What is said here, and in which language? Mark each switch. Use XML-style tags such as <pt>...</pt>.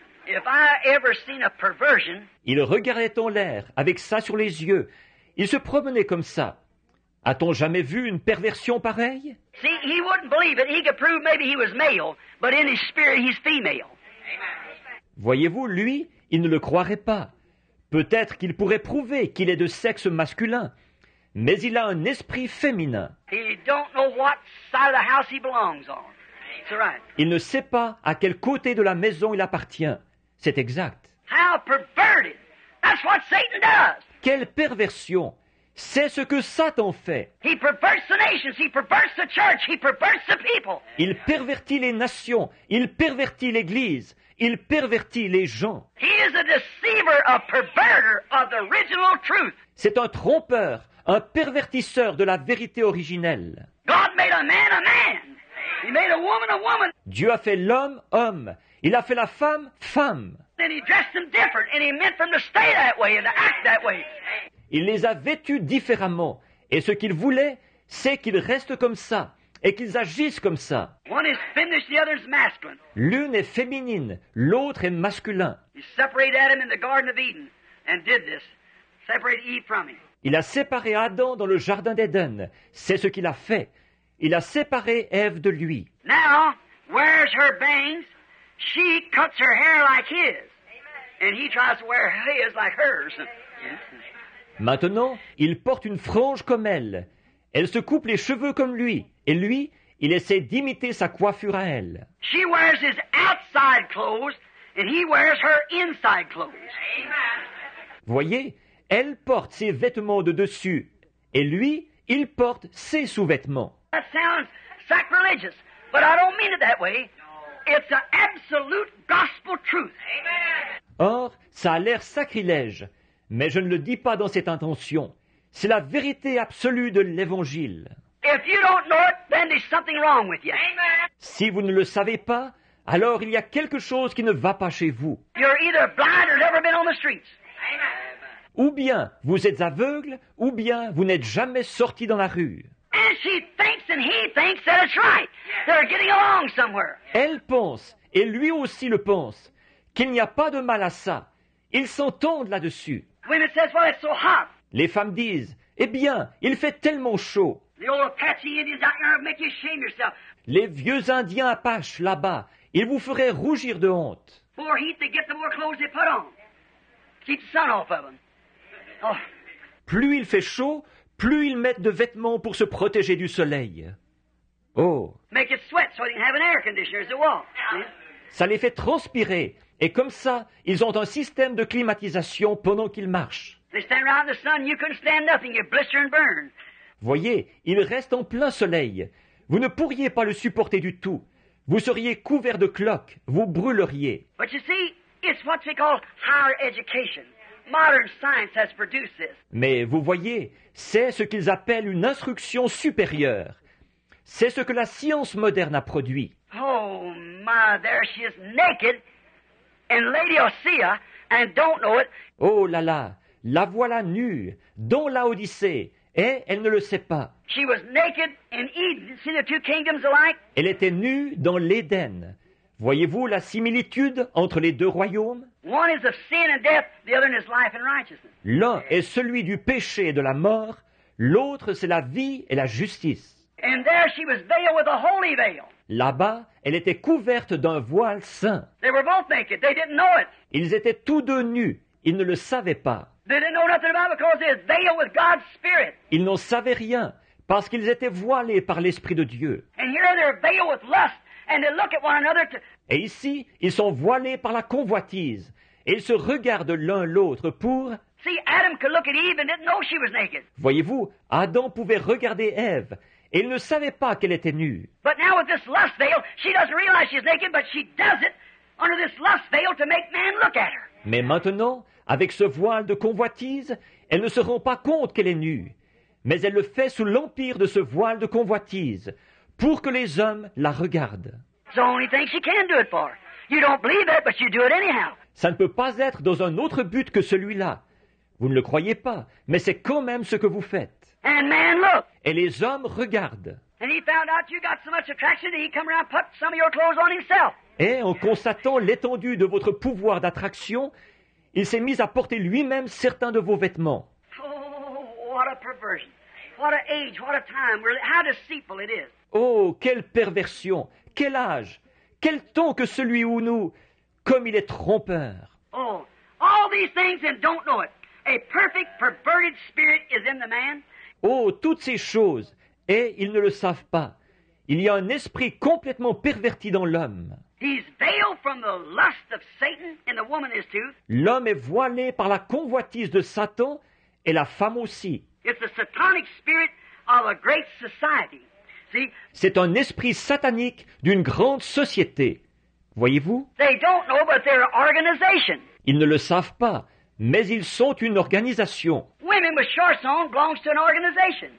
<en>If I ever seen a perversion,</en> <fr>il regardait en l'air, avec ça sur les yeux. Il se promenait comme ça. A-t-on jamais vu une perversion pareille?</fr> <en>See, he wouldn't believe it. He could prove maybe he was male, but in his spirit, he's female. Amen.</en> <fr>Voyez-vous, lui, il ne le croirait pas. Peut-être qu'il pourrait prouver qu'il est de sexe masculin, mais il a un esprit féminin.</fr> <en>He don't know what side of the house he belongs on.</en> <fr>Il ne sait pas à quel côté de la maison il appartient. C'est exact.</fr> <en>How perverted. That's what Satan does.</en> <fr>Quelle perversion. C'est ce que Satan fait.</fr> <en>He perverts the nations. He perverts the church. He perverts the people.</en> <fr>Il pervertit les nations. Il pervertit l'église. Il pervertit les gens.</fr> <en>He is a deceiver, a perverter of the original truth.</en> <fr>C'est un trompeur, un pervertisseur de la vérité originelle.</fr> <en>God made a man a man. He made a woman a woman.</en> <fr>Dieu a fait l'homme, homme. Il a fait la femme, femme.</fr> <en>Then he dressed them different and he meant for them to stay that way and to act that way.</en> <fr>Il les a vêtus différemment. Et ce qu'il voulait, c'est qu'ils restent comme ça et qu'ils agissent comme ça.</fr> <en>One is finished, the other is masculine.</en> <fr>L'une est féminine, l'autre est masculin.</fr> <en>He separated Adam in the Garden of Eden and did this. Separated Eve from him.</en> <fr>Il a séparé Adam dans le Jardin d'Éden. C'est ce qu'il a fait. Il a séparé Ève de lui.</fr> <en>Now, where's her bangs? She cuts her hair like his. And he tries to wear his like hers.</en> <fr>Maintenant, il porte une frange comme elle. Elle se coupe les cheveux comme lui. Et lui, il essaie d'imiter sa coiffure à elle.</fr> <en>She wears his outside clothes and he wears her inside clothes. Amen.</en> <fr>Voyez, elle porte ses vêtements de dessus. Et lui, il porte ses sous-vêtements.</fr> <en>That sounds sacrilegious, but I don't mean it that way. It's an absolute gospel truth.</en> <fr>Or, ça a l'air sacrilège, mais je ne le dis pas dans cette intention. C'est la vérité absolue de l'Évangile.</fr> <en>If you don't know it, then there's something wrong with you.</en> <fr>Si vous ne le savez pas, alors il y a quelque chose qui ne va pas chez vous.</fr> <en>You're either blind or never been on the streets.</en> <fr>Ou bien vous êtes aveugle, ou bien vous n'êtes jamais sorti dans la rue.</fr> <en>And she thinks and he thinks that it's right. They're getting along somewhere.</en> <fr>Elle pense, et lui aussi le pense, qu'il n'y a pas de mal à ça. Ils s'entendent là-dessus.</fr> <en>Women says, well, it's so hot.</en> <fr>Les femmes disent, eh bien, il fait tellement chaud.</fr> <en>The old Apache Indians out here make you shame yourself.</en> <fr>Les vieux Indiens Apaches là-bas, ils vous feraient rougir de honte.</fr> <en>More heat they get, the more clothes they put on. Keep the sun off of them. Oh.</en> <fr>Plus il fait chaud, plus ils mettent de vêtements pour se protéger du soleil. Oh!</fr> <en>Make it sweat so they can have an air conditioner as they walk.</en> <fr>Ça les fait transpirer. Et comme ça, ils ont un système de climatisation pendant qu'ils marchent.</fr> <en>They stand around the sun, you couldn't stand nothing, you blister and burn.</en> <fr>Voyez, ils restent en plein soleil. Vous ne pourriez pas le supporter du tout. Vous seriez couvert de cloques, vous brûleriez.</fr> <en>But you see, it's what they call higher education. Modern science has produced this.</en> <fr>Mais vous voyez, c'est ce qu'ils appellent une instruction supérieure. C'est ce que la science moderne a produit.</fr> <en>Oh, my, there she is, naked. in Laodicea and don't know it.</en> <fr>Oh là là, la voilà nue dans Laodicée et elle ne le sait pas.</fr> <en>She was naked in Eden. See the two kingdoms alike?</en> <fr>Elle était nue dans l'Éden. Voyez-vous la similitude entre les deux royaumes?</fr> <en>One is of sin and death, the other is life and righteousness.</en> <fr>L'un est celui du péché et de la mort, l'autre c'est la vie et la justice.</fr> <en>And there she was veiled with a holy veil.</en> <fr>Là-bas, elle était couverte d'un voile saint.</fr> <en>They were both naked. They didn't know it.</en> <fr>Ils étaient tous deux nus. Ils ne le savaient pas.</fr> <en>They didn't know nothing about it because they were veiled with God's Spirit.</en> <fr>Ils n'en savaient rien parce qu'ils étaient voilés par l'Esprit de Dieu.</fr> <en>And here they're veiled with lust. And they look at one another to...</en> <fr>Et ici, ils sont voilés par la convoitise. Et ils se regardent l'un l'autre pour...</fr> <en>See, Adam could look at Eve and didn't know she was naked.</en> <fr>Voyez-vous, Adam pouvait regarder Ève. Et il ne savait pas qu'elle était nue.</fr> <en>But now with this lust veil, she doesn't realize she's naked, but she does it under this lust veil to make man look at her.</en> <fr>Mais maintenant, avec ce voile de convoitise, elle ne se rend pas compte qu'elle est nue. Mais elle le fait sous l'empire de ce voile de convoitise, pour que les hommes la regardent.</fr> <en>It's the only thing she can do it for. You don't believe it, but you do it anyhow.</en> <fr>Ça ne peut pas être dans un autre but que celui-là. Vous ne le croyez pas, mais c'est quand même ce que vous faites.</fr> <en>And man, look.</en> <fr>Et les hommes regardent.</fr> <en>And he found out you got so much attraction that he come around and put some of your clothes on himself.</en> <fr>Et en constatant l'étendue de votre pouvoir d'attraction, il s'est mis à porter lui-même certains de vos vêtements.</fr> <en>Oh, what a perversion. What an age, what a time. How deceitful it is.</en> <fr>Oh, quelle perversion, quel âge, quel temps que celui où nous, comme il est trompeur.</fr> <en>Oh, all these things and don't know it. A perfect perverted spirit is in the man.</en> <fr>Oh, toutes ces choses, et ils ne le savent pas. Il y a un esprit complètement perverti dans l'homme.</fr> <en>He's veiled from the lust of Satan and the woman is too.</en> <fr>L'homme est voilé par la convoitise de Satan et la femme aussi.</fr> <en>It's the satanic spirit of a great society. See?</en> <fr>C'est un esprit satanique d'une grande société. Voyez-vous?</fr> <en>They don't know, but they're an organization.</en> <fr>Ils ne le savent pas. Mais ils sont une organisation.</fr> <en>Women with shorts on belongs to an organization.</en>